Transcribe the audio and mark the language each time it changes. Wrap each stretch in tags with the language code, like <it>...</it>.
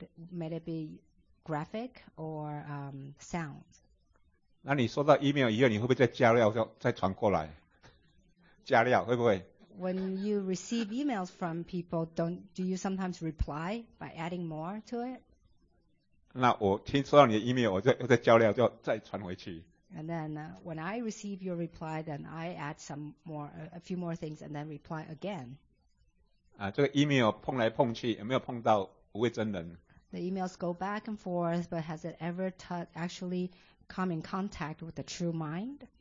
<en>May it be graphic or sound.</en> <zh>那你收到 email 以后，你会不会再加料再传过来？加料会不会</zh> <en>？When you receive emails from people, do you sometimes reply by adding more to it?</en> <zh>那我收到你的 email， 我再加料就再传回去。</zh> <en>And then when I receive your reply, then I add some more, a few more things, and then reply again.</en> <zh>啊，这个 email 碰来碰去，有没有碰到无畏真人？</zh> <en>The emails go back and forth, but has it ever actually come in contact with the true mind?</en>